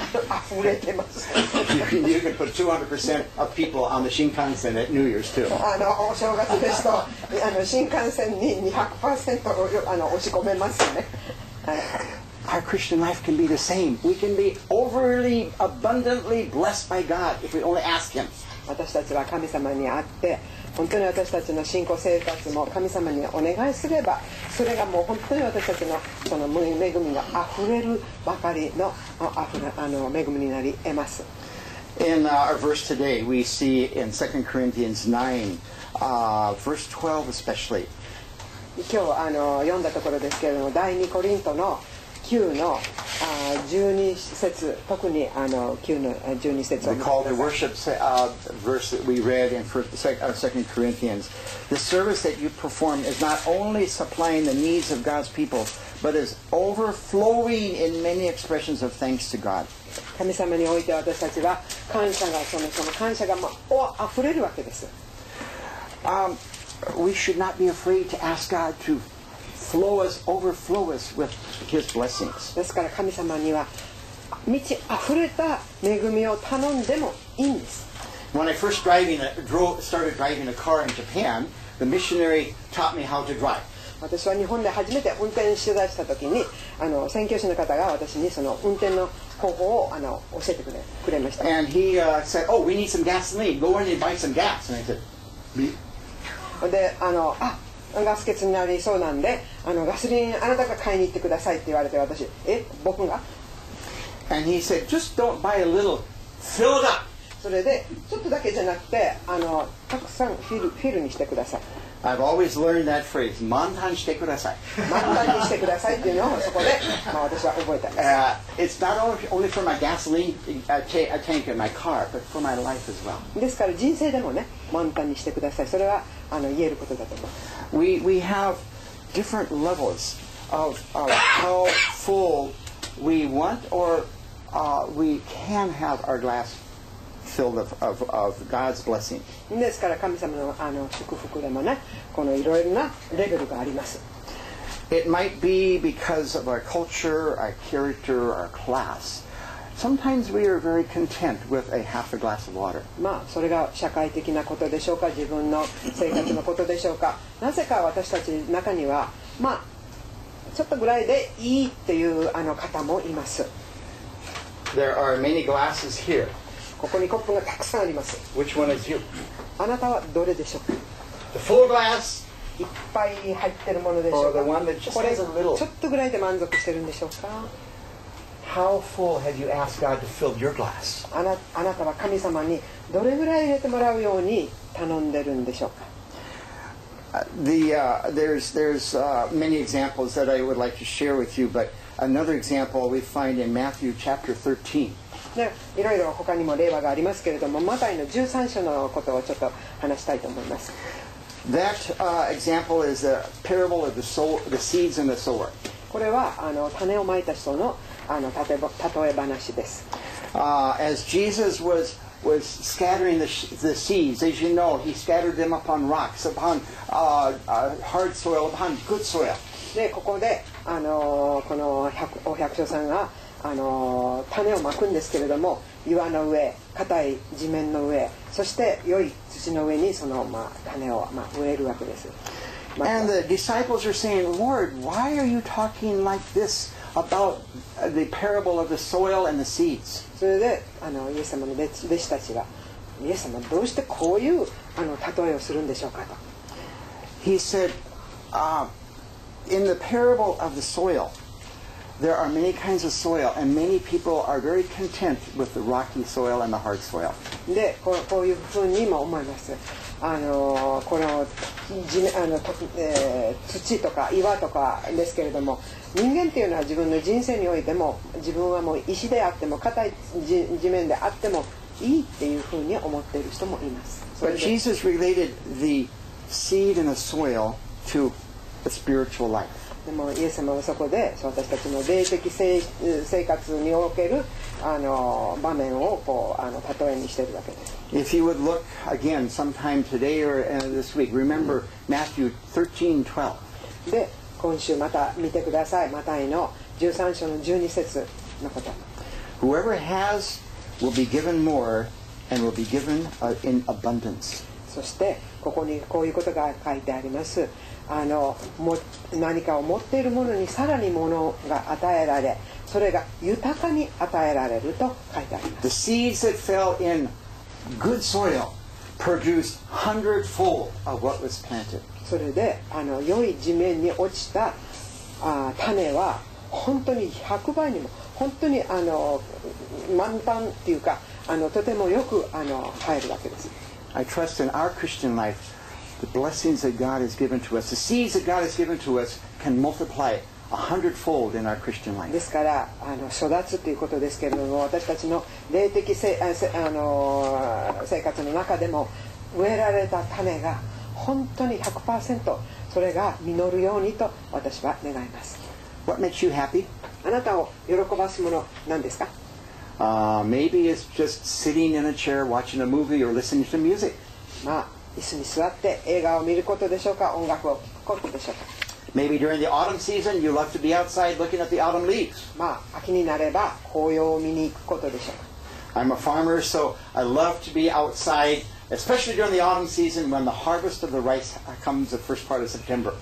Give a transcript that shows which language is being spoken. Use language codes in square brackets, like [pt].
[ja] あふれてます。 [en] You can put 200% of people on the Shinkansen at New Year's too. [ja] あの、お正月ですと、あの、新幹線に 200% を、あの、押し込めますね。 [en] Our Christian life can be the same. We can be overly abundantly blessed by God if we only ask Him. [ja] 私たちは神様にあって、本当に私たちの信仰生活も神様にお願いすれば、それがもう本当に私たちのその恵みがあふれるばかりの、あの恵みになり得ます。 [en] In our verse today, we see in 2 Corinthians 9, verse 12 especially. [ja] 今日あの読んだところですけれども、第2コリントの9の12節、特にあの9の12節を。 [en] We call the worship verse that we read in 2 Corinthians. The service that you perform is not only supplying the needs of God's people, but is overflowing in many expressions of thanks to God. [ja] 神様において私たちは感謝が、その感謝がもう溢れるわけです。 [en] We should not be afraid to ask God to flow us, overflow us with His blessings. [ja] ですから神様には満ち溢れた恵みを頼んでもいいんです。 [en] When I first started driving a car in Japan, the missionary taught me how to drive. [ja] 私は日本で初めて運転手だした時に、あの、宣教師の方が私にその運転の方法をあの教えてくれました。 [en] And he said, "Oh, we need some gasoline. Go in and buy some gas." And I said, "Me?" [ja] で、あの、あ、ガス欠になりそうなんで、あのガソリンあなたが買いに行ってくださいって言われて、私、え、僕が？ [en] And he said, just don't buy a little, fill it up. [ja] それでちょっとだけじゃなくて、あのたくさんフィルにしてください。 [en] I've always learned that phrase, [ja] 満タンしてください。満タンにしてくださいっていうのをそこで、まあ、私は覚えたんです。 [en] It's not only for my gasoline tank in my car, but for my life as well. [ja] ですから人生でもね、満タンにしてください。それはあの言えることだと思います。 [en] We have different levels of how full we want or we can have our glass filled of God's blessing. [ja] ですから神様のあの祝福でもね、このいろいろなレベルがあります。 [en] It might be because of our culture, our character, our class. Sometimes we are very content with a half a glass of water. [ja] まあそれが社会的なことでしょうか、自分の生活のことでしょうか。なぜか私たち中にはまあちょっとぐらいでいいっていうあの方もいます。 [en] There are many glasses here. [ja] ここにコップがたくさんあります。 [en] Which one is you? [ja] あなたはどれでしょうか。 [en] The full glass. [ja] いっぱい入ってるものでしょうか。 [en] Or the one that just has a little. [ja] ちょっとぐらいで満足してるんでしょうか。 [en] How full have you asked God to fill your glass? [ja] あなたは神様にどれぐらい入れてもらうように頼んでるんでしょうか。 [en] There's many examples that I would like to share with you, but another example we find in Matthew chapter 13. [ja] いろいろ他にも例がありますけれども、マタイの13章のことをちょっと話したいと思います。 [en] That example is a parable of the seeds and the sower. [ja] これはあの種をまいた人のあの例え話です。 [en] As Jesus was scattering the seeds, as you know, he scattered them upon rocks, upon hard soil, upon good soil. [ja] で、ここで、このお百姓さんが、種をまくんですけれども、岩の上、硬い地面の上、そして良い土の上にその、まあ、種を、まあ、植えるわけです。 [en] And the disciples are saying, Lord, why are you talking like this about the parable of the soil and the seeds? [ja] それで、あの、イエス様の弟子たちは、イエス様、どうしてこういう、あの、例えをするんでしょうかと。 [en] He said, in the parable of the soil, there are many kinds of soil, and many people are very content with the rocky soil and the hard soil. [ja] で、こういうふうに今思います。あの、この地、あの、土とか岩とかですけれども、人間っていうのは自分の人生においても、自分はもう石であっても、硬い地面であっても、いいっていうふうに思っている人もいます。 [en] But Jesus related the seed and the soil to the spiritual life. [ja] でもイエス様はそこで私たちの霊的 生活におけるあの場面をこうあの例えにしているわけです。 [en] If you would look again sometime today or this week, remember Matthew 13:12. [ja] で、今週また見てください。マタイの13章の12節のこと。 [en] Whoever has will be given more and will be given in abundance. [ja] そして、ここにこういうことが書いてあります。あの何かを持っているものにさらにものが与えられそれが豊かに与えられると書いてあります [en] The seeds that fell in good soil produced hundredfold of what was planted [ja] それであの良い地面に落ちた種は本当に100倍にも本当にあの満タンっていうかあのとてもよくあの生えるわけです [en] I trust in our Christian lifeThe blessings that God has given to us, the seeds that God has given to us, can multiply a hundredfold in our Christian life. [ja] ですから、あの、育つということですけれども、私たちの霊的あの、生活の中でも植えられた種が本当に 100% それが実るようにと私は願います。 [en] What makes you happy? [ja] あなたを喜ばすもの何ですか? [en] Maybe it's just sitting in a chair watching a movie or listening to music. [ja] まあ椅子に座って映画を見ることでしょうか音楽を聴くことでしょうか [en] Maybe during the autumn season, you love to be outside looking at the autumn leaves. [ja] まあ、秋になれば紅葉を見に行くことでしょうか [en] I'm a farmer, so I love to be outside, especially during the autumn season when the harvest of the rice comes the first part of September.